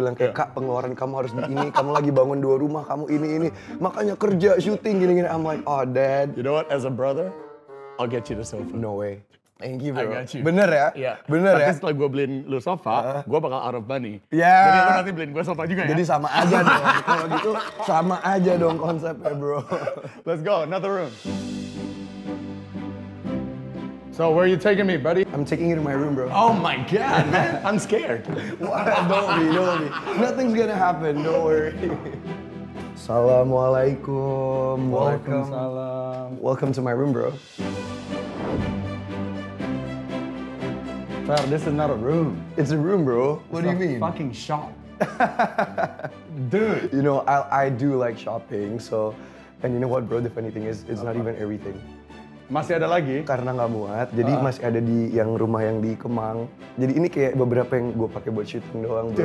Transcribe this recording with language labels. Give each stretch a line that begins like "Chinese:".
Indonesian: bilang kayak yeah. kak pengeluaran kamu harus di ini, kamu lagi bangun dua rumah, kamu ini, makanya kerja syuting gini.
English: I'm like, oh dad. You know what? As a brother, I'll get you the sofa. No way. Thank you, bro. I got you.
Indonesian: Bener ya?
English: Yeah.
Indonesian: Bener tapi ya? Tapi setelah gue beliin lu sofa, gue bakal
English: out of money.
Indonesian: Ya. Yeah. Jadi lu nanti beliin gue sofa juga ya? Jadi sama aja dong. Kalau gitu, sama aja dong konsepnya, bro.
English: Let's go, another room. So where are you taking me, buddy? I'm taking you to my room, bro. Oh my God, man. I'm scared. Don't be. Nothing's gonna happen, don't worry.
Indonesian: Assalamualaikum. Waalaikumsalam.
English: Welcome to my room, bro. Well, this is not a room. It's a room, bro. What it's a mean? Fucking shop. Dude. You know, I do like shopping, so. And you know what, bro? The funny thing is, it's not even everything.
Indonesian: Masih ada lagi? Karena nggak muat, jadi masih ada di yang rumah yang di Kemang. Jadi ini kayak beberapa yang gue pakai buat syuting doang, bro.